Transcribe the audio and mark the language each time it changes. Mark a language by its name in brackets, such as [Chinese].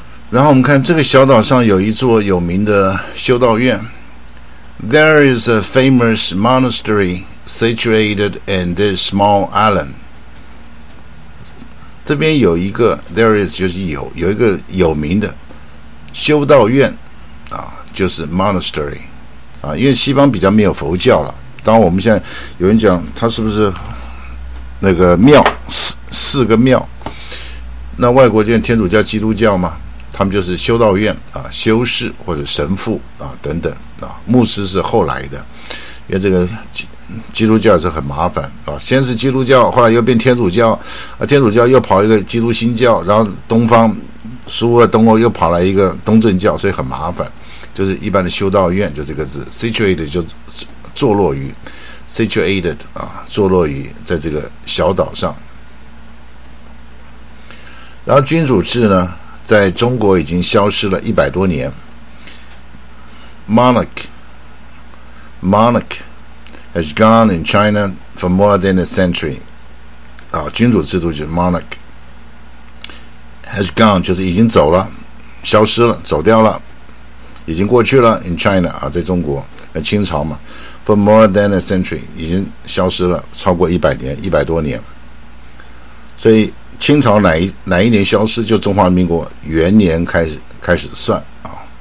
[Chinese] 然后我们看这个小岛上有一座有名的修道院， [English] There is a famous monastery situated in this small island。 [Chinese] 这边有一个 [English] There is [Chinese] 就是有一个有名的修道院啊，就是 monastery 啊，因为西方比较没有佛教了。当然我们现在有人讲他是不是那个庙 四个庙，那外国就天主教基督教嘛，他们就是修道院啊，修士或者神父啊等等啊，牧师是后来的，因为这个 基督教是很麻烦啊，先是基督教，后来又变天主教啊，天主教又跑一个基督新教，然后东方苏俄东欧又跑来一个东正教，所以很麻烦。就是一般的修道院就这个字 situated 就坐落于 situated 啊，坐落于在这个小岛上。然后君主制呢，在中国已经消失了100多年。 [English] Monarch has gone in China for more than a century。 [Chinese] 啊，君主制度就是 [English] monarch has gone [Chinese] 就是已经走了，消失了，走掉了，已经过去了。 [English] In China [Chinese] 啊，在中国，那清朝嘛。 [English] For more than a century [Chinese] 已经消失了超过100多年，所以清朝哪一年消失，就中华民国元年开始算啊。